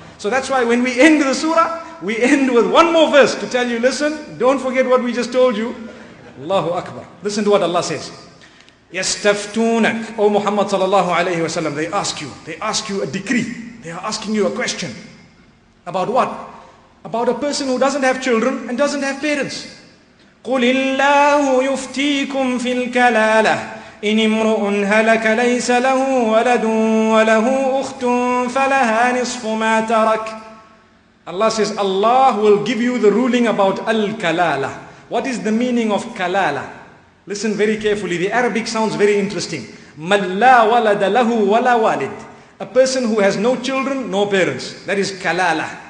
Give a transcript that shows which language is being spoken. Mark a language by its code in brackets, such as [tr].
[en] So that's why when we end the surah, we end with one more verse to tell you, listen, don't forget what we just told you. Allahu Akbar. Listen to what Allah says. [ar] يستفتونك. [en] O Muhammad sallallahu alayhi wa sallam, they ask you a decree. They are asking you a question. About what? About a person who doesn't have children and doesn't have parents. [ar] قل الله يفتيكم في الكلالة إن امرؤ هلك ليس له ولد وله أخت فلها نصف ما ترك. [en] Allah says, Allah will give you the ruling about al-kalala. What is the meaning of kalala? Listen very carefully. The Arabic sounds very interesting. [ar] مَنْ لَا وَلَدَ لَهُ وَلَا وَالِدٍ. [en] A person who has no children, no parents. That is kalala.